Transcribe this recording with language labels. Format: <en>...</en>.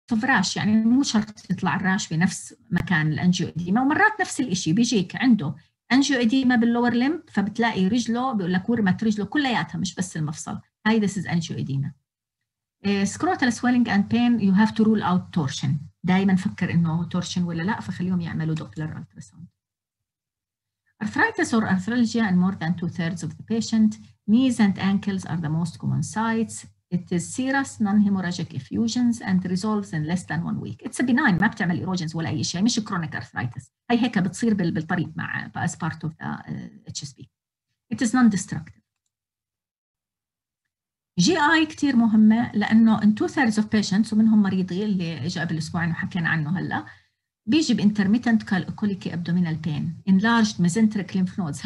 <ar>فراش يعني مو شرط يطلع الراش بنفس مكان الانجيوديما ومرات نفس الاشي بيجيك عنده انجيوديما باللور لمب فبتلاقي رجله بيقول لك ورمت رجله كلياتها مش بس المفصل هاي</ar> <en>This is angioedema. Scrotal swelling and pain you have to rule out torsion</en> <ar>دائما فكر انه تورشن ولا لا فخليهم يعملوا دوبلر التراساوند.</ar> <en>Arthritis or arthralgia in more than 2/3 of the patient. Knees and ankles are the most common sites. It is serous non-hemorrhagic effusions and resolves in less than 1 week. It's a benign,</en> <ar>ما بتعمل erosions ولا أي شيء, مش chronic arthritis. هي هيك بتصير بالطريق مع</ar> <en>as part of the HSP. It is non-destructive.</en> <ar>GI كتير مهمة لأنه</ar> <en>in 2/3 of patients</en> <ar>ومنهم مريضي اللي جاء بالأسبوعين وحكينا عنه هلا بيجي بانترميتنت colicky abdominal pain, enlarged mesenteric lymph nodes.</ar>